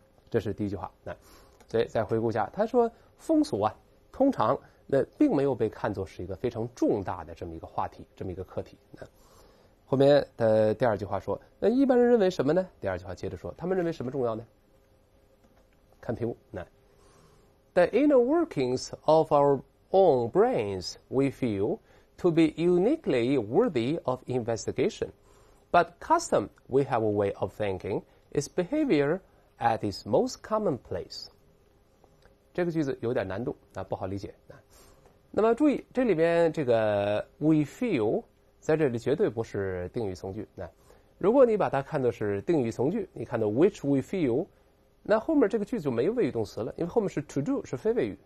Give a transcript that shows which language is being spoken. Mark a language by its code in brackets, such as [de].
[zh] 这是第一句话，那所以再回顾一下，他说风俗啊，通常。那并没有被看作是一个非常重大的这么一个话题，这么一个课题。后面的第二句话说，那一般人认为什么呢？第二句话接着说，他们认为什么重要呢？看屏幕。 [en] 那 The inner workings of our own brains we feel to be uniquely worthy of investigation, but custom we have a way of thinking is behavior at its most commonplace。 [zh] 这个句子有点难度啊，不好理解啊。那么注意，这里边这个 we feel 在这里绝对不是定语从句。那如果你把它看作是定语从句，你看到 which we feel， 那后面这个句子就没谓语动词了，因为后面是 to do 是非谓语。